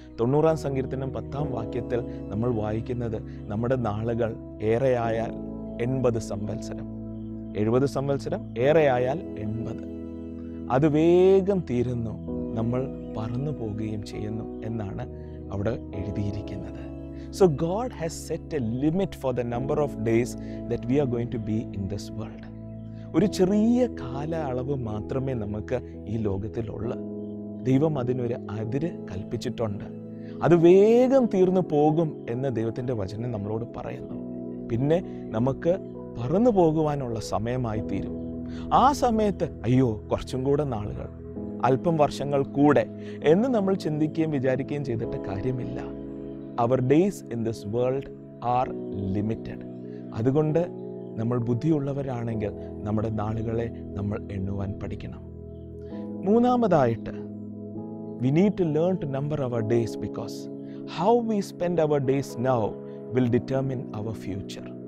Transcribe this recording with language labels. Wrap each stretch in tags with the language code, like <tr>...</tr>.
<ml>90 സങ്കീർത്തനം 10 വാക്യത്തിൽ നമ്മൾ വായിക്കുന്നത്, നമ്മുടെ നാളുകൾ ഏറെയായാൽ 80 സംവത്സരം, 70 സംവത്സരം, ഏറെയായാൽ 80. അത് വേഗം തീരുന്നു, നമ്മൾ പറന്നു പോവുകയും ചെയ്യുന്നു എന്നാണ് അവിടെ എഴുതിയിരിക്കുന്നത്.</ml> <en>So God has set a limit for the number of days that we are going to be in this world.</en> <ml>ഒരു ചെറിയ കാലയളവ് മാത്രമേ നമുക്ക് ഈ ലോകത്തിലുള്ളൂ. ദൈവം അതിനൊരു അതിര് കൽപ്പിച്ചിട്ടുണ്ട്. അത് വേഗം തീർന്നു പോകും എന്ന് ദൈവത്തിൻ്റെ വചനം നമ്മളോട് പറയുന്നു. പിന്നെ നമുക്ക് പറന്നു പോകുവാനുള്ള സമയമായി തീരും. ആ സമയത്ത് അയ്യോ, കുറച്ചും കൂടെ നാളുകൾ, അല്പം വർഷങ്ങൾ കൂടെ എന്ന് നമ്മൾ ചിന്തിക്കുകയും വിചാരിക്കുകയും ചെയ്തിട്ട് കാര്യമില്ല.</ml> <en>Our days in this world are limited.</en> <ml>അതുകൊണ്ട് നമ്മൾ ബുദ്ധിയുള്ളവരാണെങ്കിൽ നമ്മുടെ നാളുകളെ നമ്മൾ എണ്ണുവാൻ പഠിക്കണം. മൂന്നാമതായിട്ട്,</ml> <en>We need to learn to number our days because how we spend our days now will determine our future.</en>